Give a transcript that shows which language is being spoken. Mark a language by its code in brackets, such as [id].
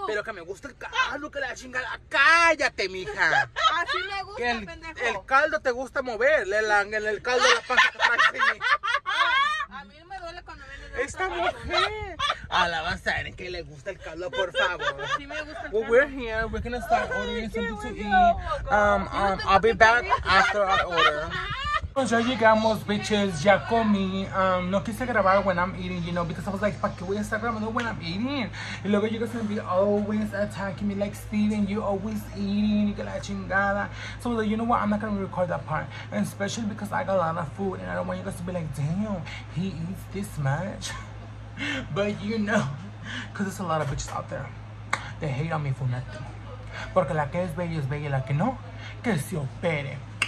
[es] Pero que me gusta el caldo, que la chingada. Cállate, mija. Así me gusta, que el pendejo. El caldo te gusta mover. El caldo de la panza que trae. A mí me duele cuando viene. Esta mujer. A la Bazzari, que le gusta el caldo, por favor. Sí me gusta el caldo. [en] Well, we're here. We're going to start ordering something to eat. I'll be back after I order. [es] Ya llegamos, bitches, ya comí. No quise grabar [en] when I'm eating, you know, because I was like, [es] ¿para qué voy a estar grabando [en] when I'm eating? Y luego you guys are gonna be always attacking me, like, Steven, you always eating, [es] y que la chingada. [en] So I was like, you know what, I'm not gonna record that part. And especially because I got a lot of food, and I don't want you guys to be like, damn, he eats this much. But you know, because there's a lot of bitches out there. They hate on me for nothing. [es] Porque la que es bella, la que no, que se opere.